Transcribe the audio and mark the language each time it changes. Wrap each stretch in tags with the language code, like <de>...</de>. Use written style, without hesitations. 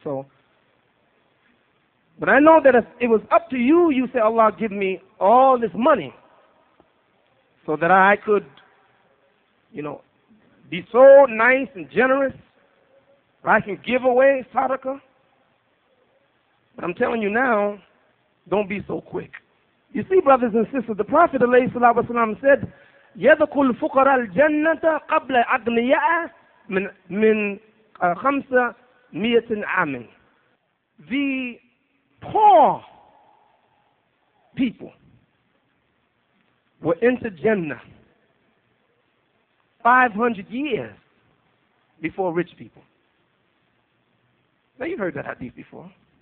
<en>So, but I know that if it was up to you, you say, Allah, give me all this money so that I could, you know, be so nice and generous that I can give away sadaqah. But I'm telling you now, don't be so quick. You see, brothers and sisters, the Prophet ﷺ said,</en> <ar>يَدْخُلْ فُقَرَ الْجَنَّةَ قَبْلَ أَغْنِيَاءَ مِنْ خَمْسَ مِيَةٍ عَامٍ.</ar> <en>The poor people were into Jannah 500 years before rich people. Now you've heard that hadith before.</en>